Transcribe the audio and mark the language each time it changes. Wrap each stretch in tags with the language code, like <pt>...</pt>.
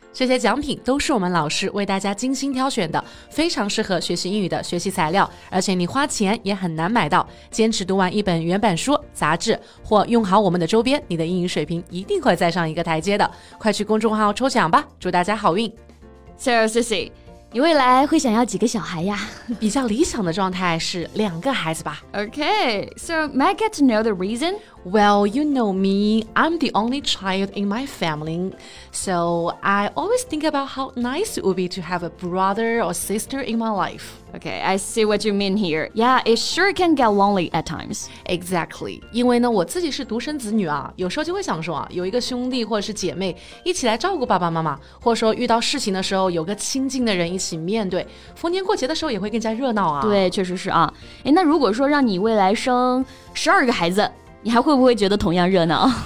<zh>这些奖品都是我们老师为大家精心挑选的，非常适合学习英语的学习材料，而且你花钱也很难买到。坚持读完一本原版书、杂志，或用好我们的周边，你的英语水平一定会再上一个台阶的。快去公众号抽奖吧，祝大家好运。 So, Cici, 你未来会想要几个小孩呀？比较理想的状态是两个孩子吧。</zh> <en>Okay, so may I get to know the reason? Well, you know me, I'm the only child in my family. So I always think about how nice it would be to have a brother or sister in my life. Okay, I see what you mean here. Yeah, it sure can get lonely at times. Exactly.</en> <zh>因为呢，我自己是独生子女啊，有时候就会想说啊，有一个兄弟或者是姐妹一起来照顾爸爸妈妈，或者说遇到事情的时候有个亲近的人一起面对，逢年过节的时候也会更加热闹啊。对，确实是啊。诶，那如果说让你未来生12个孩子，你还会不会觉得同样热闹？</zh>